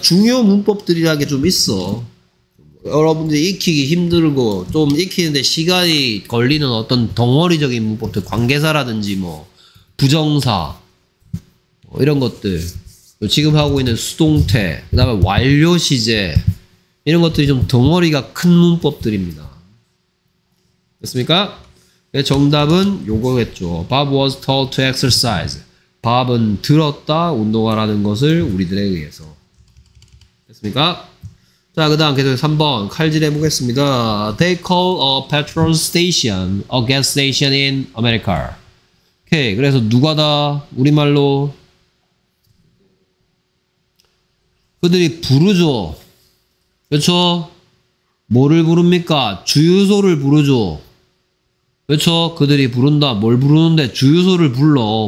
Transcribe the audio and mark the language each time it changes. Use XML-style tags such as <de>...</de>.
<ko>중요 문법들이라는 게 좀 있어. 여러분들이 익히기 힘들고 좀 익히는데 시간이 걸리는 어떤 덩어리적인 문법들, 관계사라든지 뭐 부정사 뭐 이런 것들, 지금 하고 있는 수동태, 그 다음에 완료시제 이런 것들이 좀 덩어리가 큰 문법들입니다. 됐습니까? 정답은 요거겠죠.</ko> <en>Bob was taught to exercise.</en> <ko>Bob은 들었다, 운동하라는 것을 우리들에 의해서. 됐습니까? 자, 그 다음 계속 3번 칼질해 보겠습니다.</ko> <en>They call a petrol station a gas station in America.</en> <ko>오케이. 그래서 누가다? 우리말로 그들이 부르죠. 그렇죠? 뭐를 부릅니까? 주유소를 부르죠. 그렇죠? 그들이 부른다. 뭘 부르는데 주유소를 불러.</ko>